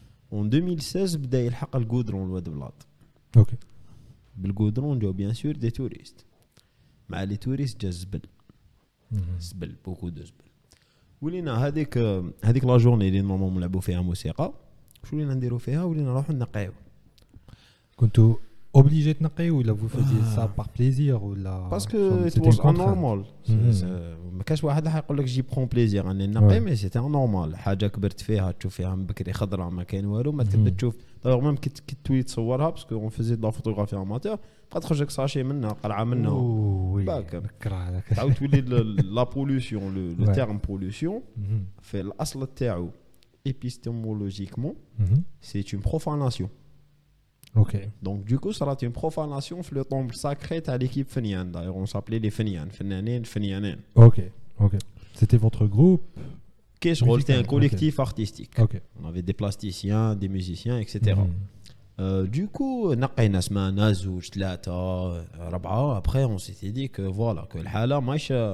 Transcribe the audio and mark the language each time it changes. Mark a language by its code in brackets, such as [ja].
[fr] En 2016, il y a eu le goudron, le Ouad El Belat. Ok. Le goudron, il y a bien sûr des touristes. Mais les touristes, il y a Zbel. Zbel, beaucoup de Zbel. [ar] Oulina, hadik [fr] la journée, il y a normalement mon labo fait un moussaka. [ar] شو لينا نديرو فيها ولينا نروحو نقيو كنتو اوبليجي تنقيو ولا فو فيزي سا بار بليزير ولا باسكو سيتي نورمال ما كاش واحد حيقول لك جي برون بليزير انا نقي مي سيتي نورمال حاجه كبرت فيها تشوف فيها من بكري خضراء ما كاين والو ما تبدا تشوف دايوغ ميم كي تولي تصورها باسكو اون فيزي دو فوتوغرافي اماتور بقا تخرج لك ساشي منها قرعه منها تعاود تولي لا بوليسيون لو تيرم بوليسيون في الاصل تاعو [fr] épistémologiquement, c'est une profanation. Ok. Donc du coup, ça sera une profanation sur le temple sacré à l'équipe fenian. D'ailleurs, on s'appelait les fenian, fenianen. Ok. C'était votre groupe. Qu'est-ce que c'était un collectif artistique. Ok. On avait des plasticiens, des musiciens, etc. Du coup, après, on s'était dit que voilà, que le halal marche.